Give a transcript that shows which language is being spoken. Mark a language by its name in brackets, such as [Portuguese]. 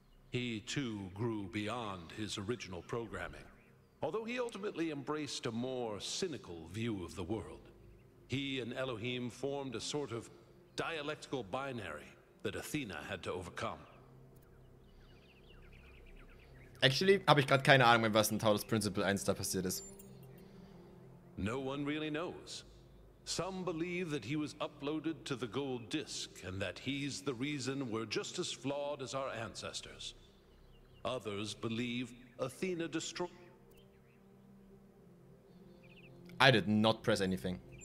[English] He, too, grew beyond his original programming, although he ultimately embraced a more cynical view of the world. He and Elohim formed a sort of dialectical binary that Athena had to overcome. Actually, [German] habe ich gerade keine Ahnung, was in Talos Principle 1 da passiert ist. [English] No one really knows. Some believe that he was uploaded to the gold disc and that he's the reason we're just as flawed as our ancestors. Others believe Athena destroyed. I did not press anything.